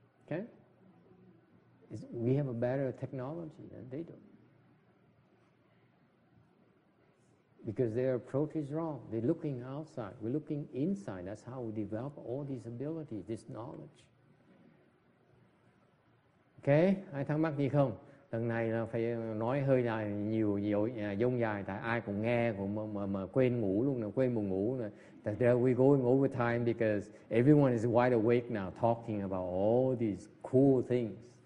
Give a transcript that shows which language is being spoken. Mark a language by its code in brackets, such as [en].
[en] Okay? We have a better technology than they do. Because their approach is wrong. They're looking outside. We're looking inside. That's how we develop all these abilities, this knowledge. [vi] Okay? Ai thắc mắc gì không? Lần này là phải nói hơi dài, nhiều dông dài, tại ai cũng nghe, cũng mà quên ngủ luôn, quên buồn ngủ. [en] That we're going over time because everyone is wide awake now, talking about all these cool things.